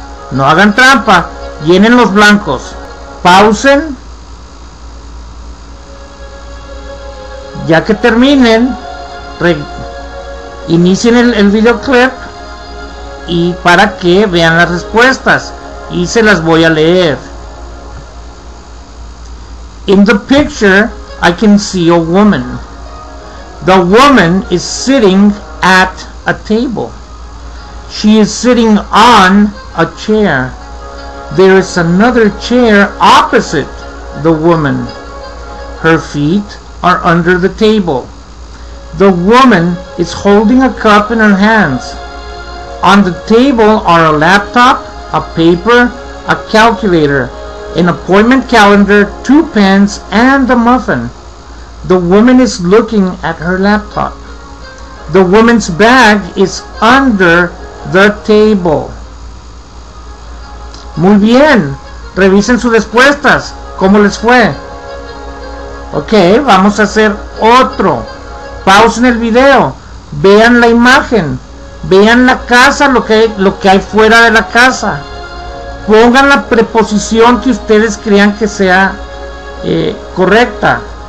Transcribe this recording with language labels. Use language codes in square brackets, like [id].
[es] No hagan trampa, llenen los blancos. Pausen. Ya que terminen, inicien el videoclip y para que vean las respuestas y se las voy a leer. [en] In the picture, I can see a woman. The woman is sitting at a table. She is sitting on a chair. There is another chair opposite the woman. Her feet are under the table. The woman is holding a cup in her hands. On the table are a laptop, a paper, a calculator, an appointment calendar, two pens, and a muffin. The woman is looking at her laptop. The woman's bag is under the table. [es] Muy bien. Revisen sus respuestas. ¿Cómo les fue? Okay, vamos a hacer otro. Pausen el video, vean la imagen, vean la casa, lo que hay fuera de la casa. Pongan la preposición que ustedes crean que sea correcta.